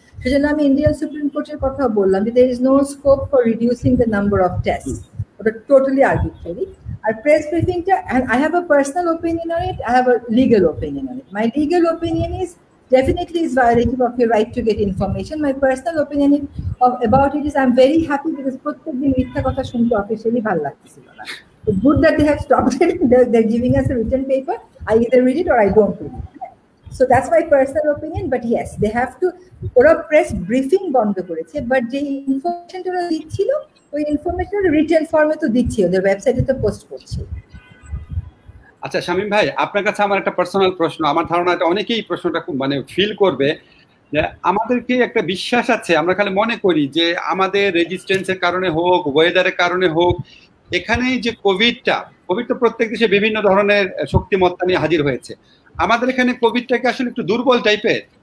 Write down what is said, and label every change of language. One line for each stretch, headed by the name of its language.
Bangla: সেজন্য আমি Indian supreme কোর্টের কথা বললাম,
English: There is no scope for reducing the number of test, ওটা totally arbitrary. আর press ব্রিফিংটা, I have a personal opinion on it, I have a legal opinion on it. My legal opinion is definitely is violative of your right to get information. My personal opinion about it is I am very happy because
Bangla: প্রত্যেক দিন মিথ্যা কথা শুনতে officially ভালো লাগতেছিল না।
English: So good that they have stopped it, they're giving us a written paper, I either read it or I don't read it. So that's my personal opinion, but yes, they have to, or a press briefing
Bangla: bondo koreche,
English: but the information
Bangla: to dichilo, oi
English: information written form
Bangla: e to dichilo,
English: their website
Bangla: e to post korche. Acha Shamim bhai, apnar kache amar ekta personal proshno, amar dharona eta onekei proshno ta mane feel korbe, যে আমাদেরকে একটা বিশ্বাস আছে, আমরা খালি মনে করি যে আমাদের রেজিস্ট্যান্সের কারণে হোক, ওয়েদারের কারণে হোক, এখানে যে কোভিডটা, কোভিড তো প্রত্যেক দেশে বিভিন্ন ধরনের শক্তিমত্তা নিয়ে হাজির হয়েছে, আমাদের এখানে কোভিডটাকে আসলে একটু দুর্বল টাইপের